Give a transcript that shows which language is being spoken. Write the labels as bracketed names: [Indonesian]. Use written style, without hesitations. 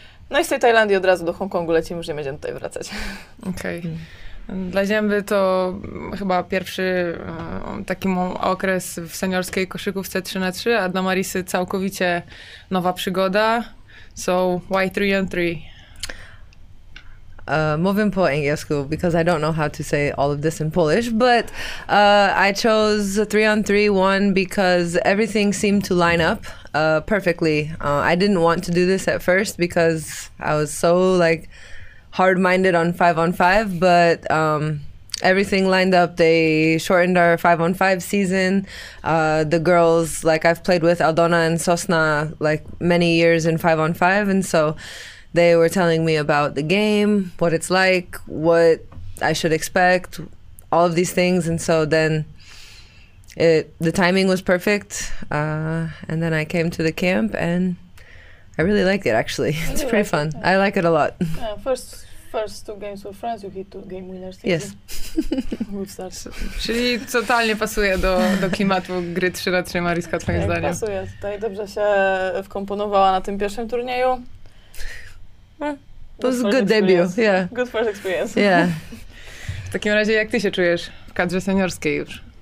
[Polish] No i z tej Tajlandii od razu do Hongkongu lecimy, już nie będziemy tutaj wracać. Okej. Okay. Dla Ziemby to chyba pierwszy taki okres w seniorskiej koszykówce 3x3, a dla Marisy całkowicie nowa przygoda. [English] So, why 3x3? [Polish] Mówię po angielsku, [English] because I don't know how to say all of this in Polish, but I chose 3x3, one, because everything seemed to line up perfectly. I didn't want to do this at first because I was so like hard-minded on 5-on-5, but everything lined up. They shortened our 5-on-5 season. The girls, like I've played with Aldona and Sosna like many years in 5-on-5, and so they were telling me about the game, what it's like, what I should expect, all of these things. And so then the timing was perfect. And then I came to the camp and I really liked it actually. It's really pretty fun. I like it a lot. First two games with France, you hit two game winners. Yes. [Polish] Czyli totalnie pasuje do klimatu gry 3x3, Mariska, twoim zdaniem. Pasuje. Tutaj dobrze się wkomponowała na tym pierwszym turnieju. To jest [English] good debut, yeah. Good first experience. Yeah. [Polish] W takim razie, jak ty się czujesz w kadrze seniorskiej już?